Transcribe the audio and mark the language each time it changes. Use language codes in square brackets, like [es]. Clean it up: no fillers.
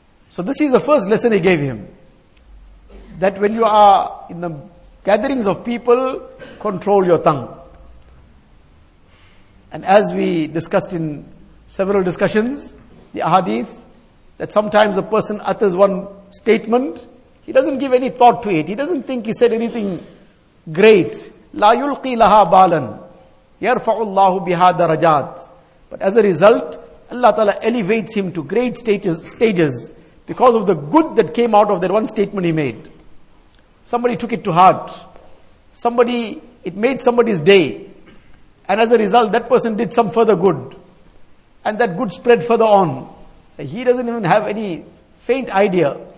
[en] So this is the first lesson he gave him. That when you are in the gatherings of people, control your tongue. And as we discussed in several discussions, the ahadith, that sometimes a person utters one statement, he doesn't give any thought to it. He doesn't think he said anything great. [ar] لا يلقي لها بالا يرفع الله بها درجات. [en] But as a result, Allah Ta'ala elevates him to great stages because of the good that came out of that one statement he made. Somebody took it to heart. It made somebody's day. And as a result, that person did some further good. And that good spread further on. He doesn't even have any faint idea.